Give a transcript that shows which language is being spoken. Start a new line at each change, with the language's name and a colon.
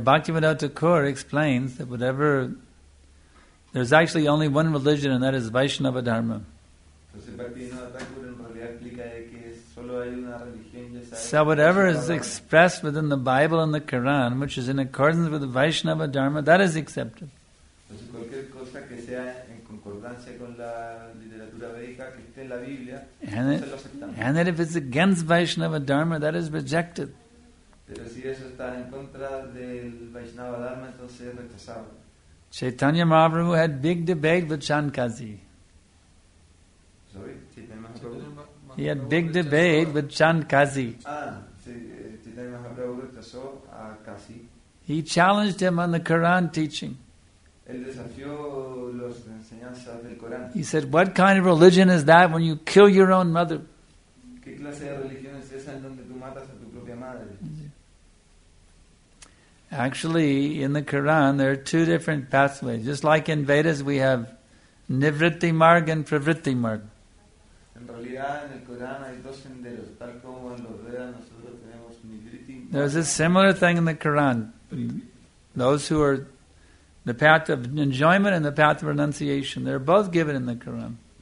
English: Bhaktivedanta Thakur explains that whatever there's actually only one religion and that is Vaishnava Dharma.
Spanish: Entonces Bhaktivedanta Thakur en realidad explica que solo hay una religión.
English: So whatever is expressed within the Bible and the Quran, which is in accordance with the Vaishnava Dharma, that is accepted.
Spanish: Entonces cualquier cosa que sea en concordancia con la literatura védica que esté en la Biblia,
English: and that if it's against Vaishnava Dharma, that is rejected.
Spanish: Pero si eso está en contra del Vaishnava Dharma, entonces es rechazado.
English: Chaitanya Mahaprabhu had big debate with Chankasi. Sorry, Chaitanya Mahaprabhu. He had big debate with Chankasi.
Spanish: Ah, Chaitanya Mahaprabhu rechazó a Kasi.
English: He challenged him on the Quran teaching.
Spanish: Él desafió las enseñanzas del Corán.
English: He said, "What kind of religion is that when you kill your own mother?"
Spanish: ¿Qué clase de religión es esa en donde tú matas a tu propia madre?
English: Actually, in the Quran, there are two different pathways. Just like in Vedas, we have Nivritti Marg and Pravritti Marg.
Spanish: En realidad, en el Corán hay dos senderos, tal como en los Vedas nosotros tenemos Nivritti Marg.
English: There's a similar thing in the Quran. Those who are the path of enjoyment and the path of renunciation, they're both given in the Quran.